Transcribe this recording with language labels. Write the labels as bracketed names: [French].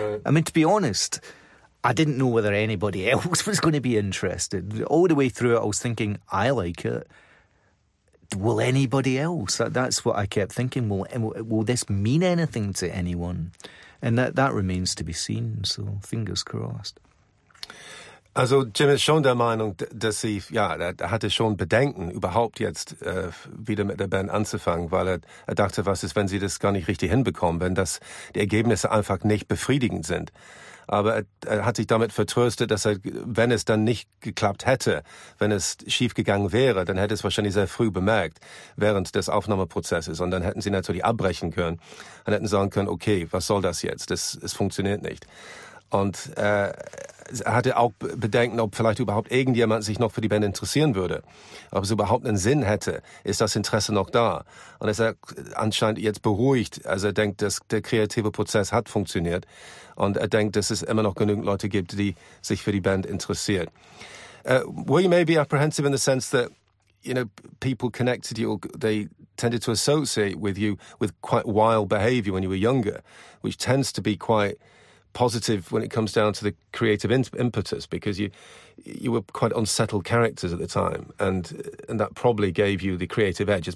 [English] Right. I mean, to be honest, I didn't know whether anybody else was going to be interested. All the way through it, I was thinking, I like it. Will anybody else? That's what I kept thinking. Will this mean anything to anyone? And that remains to be seen, so fingers crossed. [German] Also Jim ist schon der Meinung, dass sie, ja, er hatte schon Bedenken, überhaupt jetzt wieder mit der Band anzufangen, weil er dachte, was ist, wenn sie das gar nicht richtig hinbekommen, wenn das die Ergebnisse einfach nicht befriedigend sind. Aber er hat sich damit vertröstet, dass er, wenn es dann nicht geklappt hätte, wenn es schiefgegangen wäre, dann hätte es wahrscheinlich sehr früh bemerkt, während des Aufnahmeprozesses. Und dann hätten sie natürlich abbrechen können und hätten sagen können, okay, was soll das jetzt? Es funktioniert nicht. Und er hatte auch Bedenken, ob vielleicht überhaupt irgendjemand sich noch für die Band interessieren würde. Ob es überhaupt einen Sinn hätte, ist das Interesse noch da? Und er ist anscheinend jetzt beruhigt. Also er denkt, dass der kreative Prozess hat funktioniert. Und er denkt, dass es immer noch genügend Leute gibt, die sich für die Band interessieren. [English] Were you maybe apprehensive in the sense that, you know, people connected you, they tended to associate with you with quite wild behavior when you were younger, which tends to be quite positive when it comes down to the creative impetus, because you were quite unsettled characters at the time, and that probably gave you the creative edge.